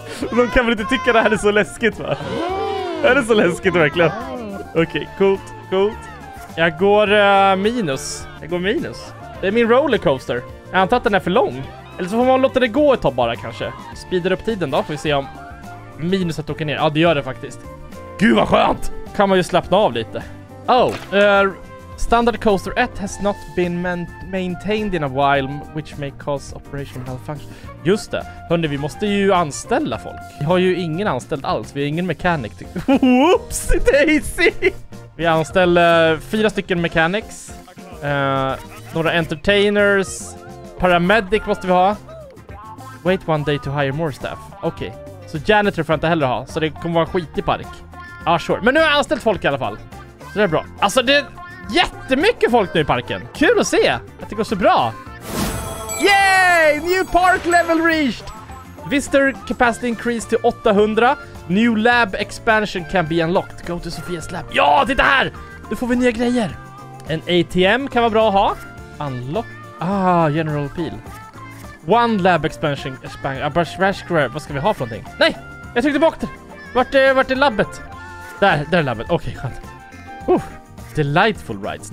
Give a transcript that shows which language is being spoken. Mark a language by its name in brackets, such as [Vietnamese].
[Swedish] De kan väl inte tycka det här är så läskigt, va? Är det så läskigt verkligen? Okej, okay, coolt, coolt. Jag går minus. Jag går minus. Det är min rollercoaster. Jag antar att den är för lång. Eller så får man låta det gå ett tag bara kanske. Speeder upp tiden då. Får vi se om minuset åker ner. Ja, det gör det faktiskt. Gud vad skönt! Kan man ju slappna av lite. [English] Oh, standard coaster 1 has not been maintained in a while, which may cause operation malfunction. [Swedish] Just det. Hörrni, vi måste ju anställa folk. Vi har ju ingen anställd alls. Vi är ingen mechanic. Whoops, Daisy! Vi anställer 4 stycken mechanics. Några entertainers. Paramedic måste vi ha. [English] Wait one day to hire more staff. [Swedish] Okej. Okay. Så janitor får jag inte heller ha. Så det kommer vara skit i park. Ja, ah, sure. Men nu har jag anställt folk i alla fall. Så det är bra. Alltså, det... Jättemycket folk nu i parken. Kul att se att det går så bra. [English] Yay! New park level reached. Visitor capacity increased to 800. New lab expansion can be unlocked. Go to Sofias lab. [Swedish] Ja, titta här! Nu får vi nya grejer. En ATM kan vara bra att ha. Unlock. Ah, general appeal. [English] One lab expansion. [Swedish] Vad ska vi ha för någonting? Nej, jag tryckte bort det. Vart är labbet? Där är labbet. Okej, skönt. Delightful rides.